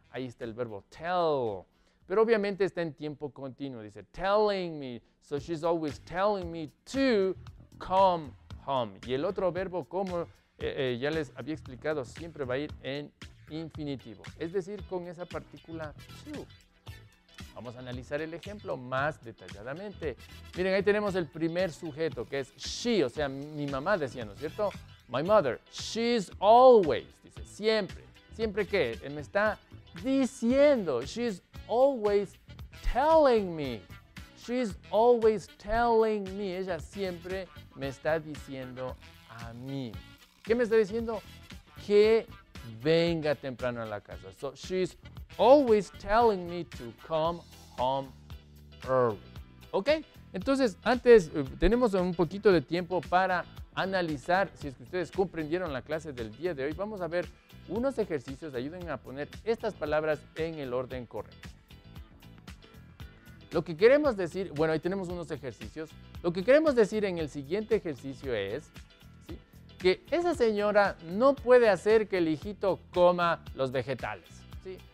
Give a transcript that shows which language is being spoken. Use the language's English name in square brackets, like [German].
[Spanish] Ahí está el verbo tell. Pero obviamente está en tiempo continuo. Dice, [English] telling me. So she's always telling me to come home. [Spanish] Y el otro verbo, como ya les había explicado, siempre va a ir en infinitivo. Es decir, con esa partícula to. Vamos a analizar el ejemplo más detalladamente. Miren, ahí tenemos el primer sujeto, que es she, o sea, mi mamá decía, ¿no es cierto? [English] My mother, she's always, [Spanish] dice, siempre. ¿Siempre qué? Me está diciendo. [English] She's always telling me. She's always telling me. [Spanish] Ella siempre me está diciendo a mí. ¿Qué me está diciendo? Que venga temprano a la casa. [English] So, she's always telling me to come home early. ¿Ok? [Spanish] Entonces, antes, tenemos un poquito de tiempo para analizar si es que ustedes comprendieron la clase del día de hoy. Vamos a ver unos ejercicios que ayuden a poner estas palabras en el orden correcto. Lo que queremos decir, bueno, ahí tenemos unos ejercicios. Lo que queremos decir en el siguiente ejercicio es, ¿sí?, que esa señora no puede hacer que el hijito coma los vegetales, ¿sí?